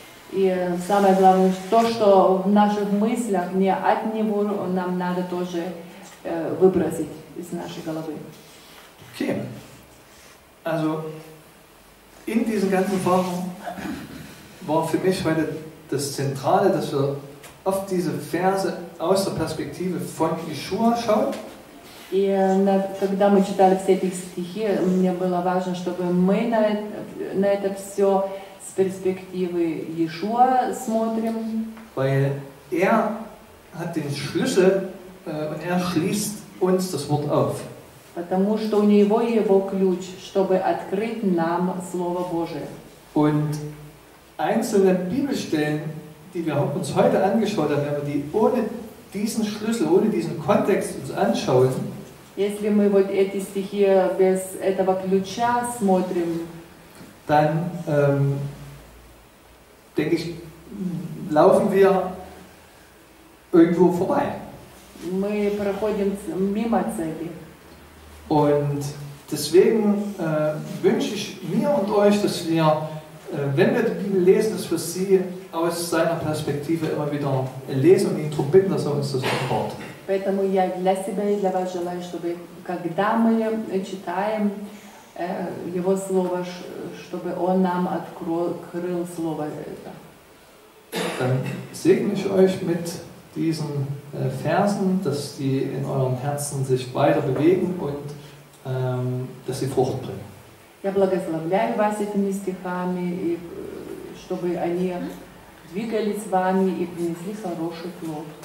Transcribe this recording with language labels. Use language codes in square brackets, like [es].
[ru] И самое главное, то, что в наших мыслях не от него, [de] und [ru] нам надо тоже выбросить из нашей головы. Okay. [de] Also, in diesen ganzen Versen war für mich heute das Zentrale, dass wir auf diese Verse aus der Perspektive von Yeshua schauen. [ru] И когда мы читали все эти стихи, мне было важно, чтобы мы на это все с перспективы Yeshua смотрим. [de] Weil er hat den Schlüssel und er schließt uns das Wort auf. [ru] Потому что у него его ключ, чтобы открыть нам Слово Божие. [de] Und einzelne Bibelstellen, die wir uns heute angeschaut haben, wenn wir die ohne diesen Schlüssel, ohne diesen Kontext uns anschauen, [ru] если мы вот эти стихи без этого ключа смотрим, [de] dann denke ich, laufen wir irgendwo vorbei. [ru] Мы проходим мимо цели. [de] Und deswegen wünsche ich mir und euch, dass wir, wenn wir die Bibel lesen, dass wir sie aus seiner Perspektive immer wieder lesen und ihn darum bitten, dass er uns das offenbart. [ru] Поэтому я для себя и для вас желаю, чтобы когда мы читаем его слово, чтобы он нам открыл слово это. [de] Dann segne ich euch mit diesen Versen, dass die in eurem Herzen sich weiter bewegen und dass sie Frucht bringen. [ru] Я благословляю вас этими стихами, и чтобы они двигались с вами и принесли хороший плод.